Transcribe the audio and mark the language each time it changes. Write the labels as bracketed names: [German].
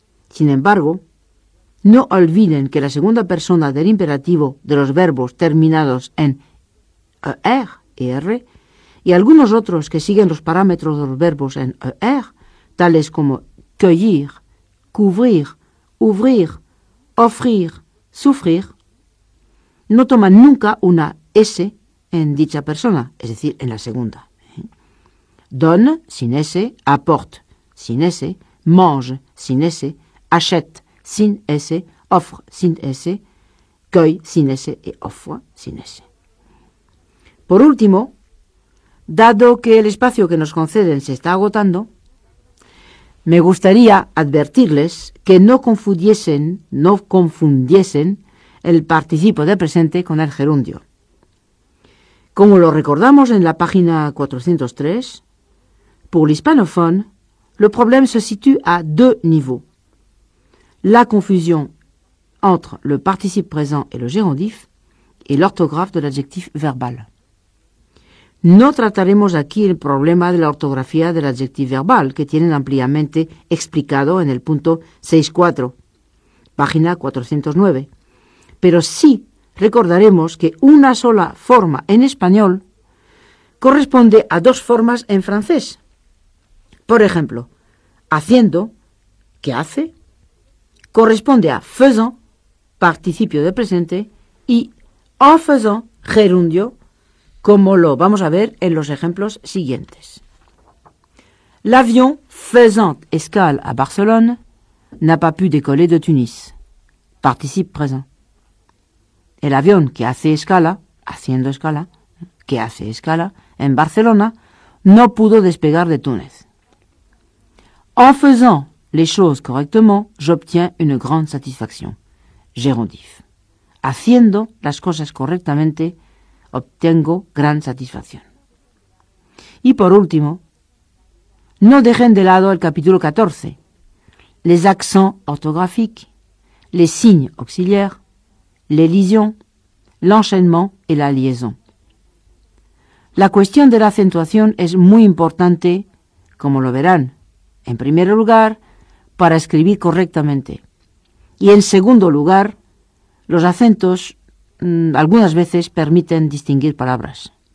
[Spanish] Sin embargo, no olviden que la segunda persona del imperativo de los verbos terminados en er, er, y algunos otros que siguen los parámetros de los verbos en er, tales como cueillir, couvrir, ouvrir, offrir, souffrir, no toma nunca una S en dicha persona, es decir, en la segunda. Donne, sin S, apporte, sin S, mange sin S, achète sin S, offre sin S, cueille sin S et offre sin S. Por último, dado que el espacio que nos conceden se está agotando, me gustaría advertirles que no confundiesen el participio de presente con el gerundio. Como lo recordamos en la página 403, [French] pour l'hispanophone, le problème se situe à deux niveaux. La confusion entre le participe présent et le gérondif et l'orthographe de l'adjectif verbal. [Spanish] No trataremos aquí el problema de la ortografía del adjectif verbal que tienen ampliamente explicado en el punto 6.4, página 409, pero sí recordaremos que una sola forma en español corresponde a dos formas en francés. Por ejemplo, haciendo, que hace, corresponde a faisant, participio de presente, y en faisant, gerundio, como lo vamos a ver en los ejemplos siguientes. [French] L'avion faisant escale à Barcelone n'a pas pu décoller de Tunis. Participe présent. [Spanish] El avión que hace escala, haciendo escala, que hace escala en Barcelona, no pudo despegar de Túnez. [French] En faisant les choses correctement, j'obtiens une grande satisfaction. Gérondif. [Spanish] Haciendo las cosas correctamente, obtengo gran satisfacción. Y por último, no dejen de lado el capítulo 14. [French] Les accents orthographiques, les signes auxiliaires, les lisions, l'enchaînement et la liaison. [Spanish] La cuestión de la acentuación es muy importante, como lo verán, en primer lugar, para escribir correctamente. Y en segundo lugar, los acentos algunas veces permiten distinguir palabras.